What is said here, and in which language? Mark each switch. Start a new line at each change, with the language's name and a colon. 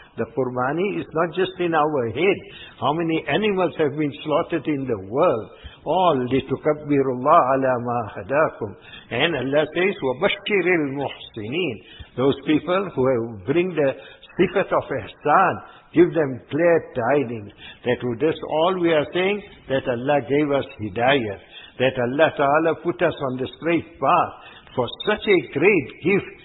English: The Qurbani is not just in our head. How many animals have been slaughtered in the world?
Arabic: All لِتُكَبِّرُ اللَّهَ عَلَى مَا هَدَاكُمْ.
English: And Allah says,
Arabic: وَبَشِّرِ الْمُحْسِنِينَ.
English: Those people who bring the sifat of ihsan, give them clear tidings. That with this all we are saying, that Allah gave us hidayah, that Allah Ta'ala put us on the straight path. For such a great gift,